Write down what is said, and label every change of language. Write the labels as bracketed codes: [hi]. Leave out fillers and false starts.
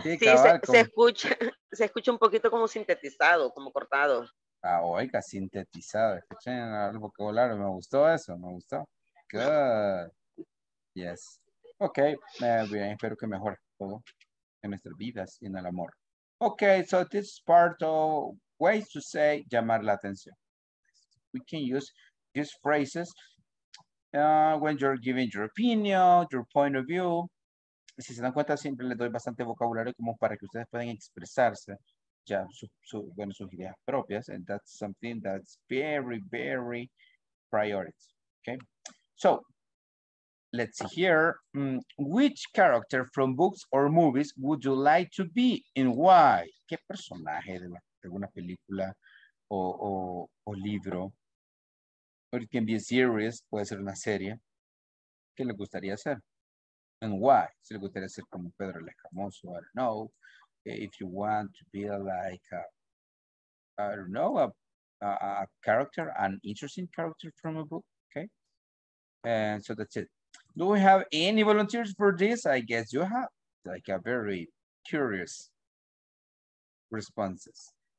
[es] Sí, cabal, se escucha un poquito como sintetizado, como cortado. Ah, oiga, sintetizado, escuché en el vocabulario, me gustó eso, me gustó. [en] Good. Yes. [es] Ok, bien, espero que mejore todo en nuestras vidas y en el amor. [en] Okay, so this is part of ways to say [es] llamar la atención. [en] We can use these phrases when you're giving your opinion, your point of view. [es] Si se dan cuenta, siempre les doy bastante vocabulario como para que ustedes puedan expresarse ya sus ideas propias. [en] And that's something that's very, very priority. Okay, so let's see here. Which character from books or movies would you like to be and why? [es] ¿Qué personaje de alguna película o libro? [en] Or it can be a series, [es] puede ser una serie. ¿Qué le gustaría ser? [en] And why? [es] ¿Se le gustaría ser como Pedro el Escamoso? [en] I don't know. If you want to be like, a character, an interesting character from a book. Okay. And so that's it. Do we have any volunteers for this? I guess you have like a very curious responses.